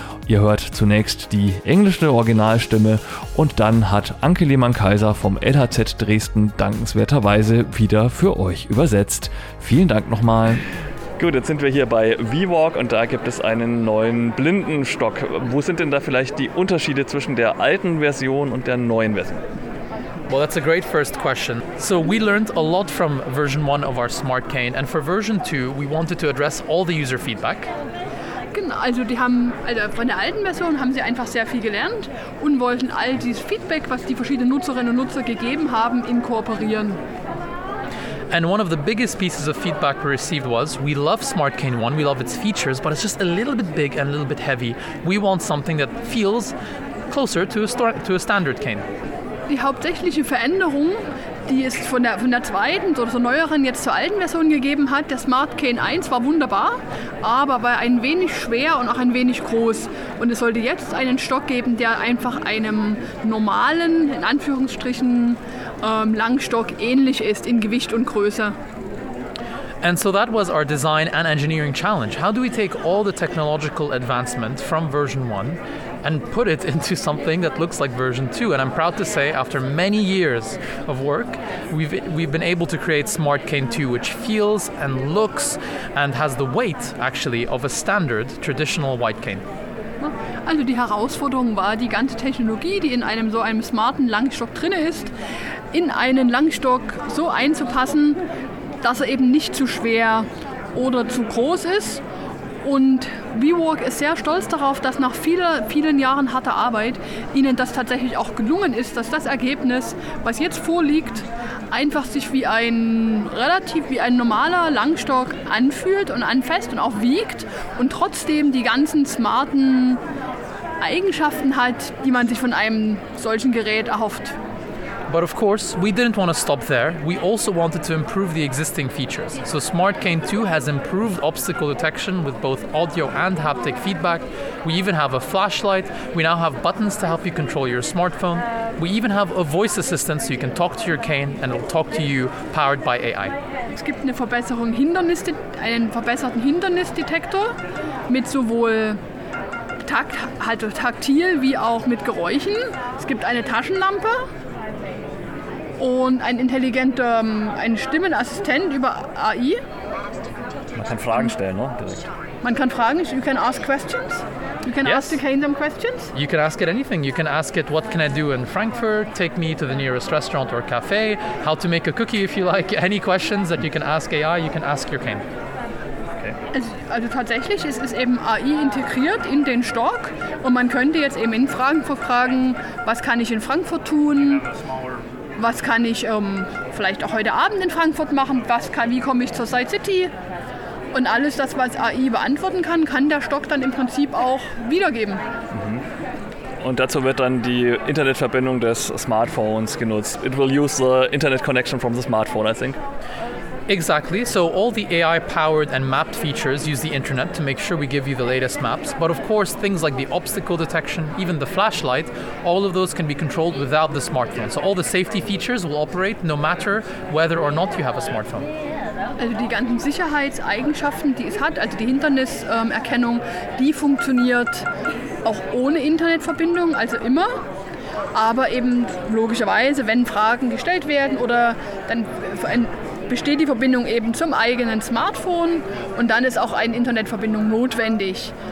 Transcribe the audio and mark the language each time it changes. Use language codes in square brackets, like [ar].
[de] Ihr hört zunächst die englische Originalstimme und dann hat Anke Lehmann-Kaiser vom LHZ Dresden dankenswerterweise wieder für euch übersetzt. Vielen Dank nochmal. Gut, jetzt sind wir hier bei WeWalk und da gibt es einen neuen Blindenstock. Wo sind denn da vielleicht die Unterschiede zwischen der alten Version und der neuen Version? [en] Well, that's a great first question. So we learned a lot from version 1 of our smart cane, and for version 2 we wanted to address all the user feedback. [de] Also die haben, also von der alten Version haben sie einfach sehr viel gelernt und wollten all dieses Feedback, was die verschiedenen Nutzerinnen und Nutzer gegeben haben, inkorporieren. [en] And one of the biggest pieces of feedback we received was, we love Smart Cane 1, we love its features, but it's just a little bit big and a little bit heavy. We want something that feels closer to a standard cane. [de] Die hauptsächliche Veränderung, die es von der zweiten oder so neueren jetzt zur alten Version gegeben hat, der Smart Cane 1 war wunderbar, aber war ein wenig schwer und auch ein wenig groß. Und es sollte jetzt einen Stock geben, der einfach einem normalen, in Anführungsstrichen, Langstock ähnlich ist in Gewicht und Größe. [en] And so that was our design and engineering challenge. How do we take all the technological advancement from version 1 and put it into something that looks like version 2? And I'm proud to say, after many years of work, we've been able to create Smart Cane 2, which feels and looks and has the weight, actually, of a standard traditional white cane. [de] Also die Herausforderung war, die ganze Technologie, die in einem so einem smarten Langstock drin ist, in einen Langstock so einzupassen, dass er eben nicht zu schwer oder zu groß ist. Und WeWalk ist sehr stolz darauf, dass nach vielen, vielen Jahren harter Arbeit ihnen das tatsächlich auch gelungen ist, dass das Ergebnis, was jetzt vorliegt, einfach sich wie ein normaler Langstock anfühlt und anfasst und auch wiegt und trotzdem die ganzen smarten Eigenschaften hat, die man sich von einem solchen Gerät erhofft. [en] But of course, we didn't want to stop there. We also wanted to improve the existing features. So Smart Cane 2 has improved obstacle detection with both audio and haptic feedback. We even have a flashlight. We now have buttons to help you control your smartphone. We even have a voice assistant so you can talk to your cane and it'll talk to you powered by AI. [de] Es gibt eine Verbesserung, einen verbesserten Hindernisdetektor mit sowohl taktil wie auch mit Geräuschen. Es gibt eine Taschenlampe. Und ein intelligenter Stimmenassistent über AI. Man kann Fragen stellen, ne? Direkt. Man kann Fragen, [en] you can ask questions. You can yes. ask the cane some questions. You can ask it anything. You can ask it, what can I do in Frankfurt? Take me to the nearest restaurant or cafe. How to make a cookie if you like. Any questions that you can ask AI, you can ask your cane. [de] Also tatsächlich ist es eben AI integriert in den Stock und man könnte jetzt eben in Fragen verfragen, was kann ich in Frankfurt tun? Was kann ich vielleicht auch heute Abend in Frankfurt machen? Wie komme ich zur Side City? Und alles das, was AI beantworten kann, kann der Stock dann im Prinzip auch wiedergeben. Und dazu wird dann die Internetverbindung des Smartphones genutzt. [en] It will use the internet connection from the smartphone, I think. Exactly. So all the AI-powered and mapped features use the internet to make sure we give you the latest maps. But of course, things like the obstacle detection, even the flashlight, all of those can be controlled without the smartphone. So all the safety features will operate no matter whether or not you have a smartphone. [de] Also die ganzen Sicherheitseigenschaften, die es hat, also die Hinderniserkennung, die funktioniert auch ohne Internetverbindung, also immer. Aber eben logischerweise, wenn Fragen gestellt werden oder dann besteht die Verbindung eben zum eigenen Smartphone und dann ist auch eine Internetverbindung notwendig.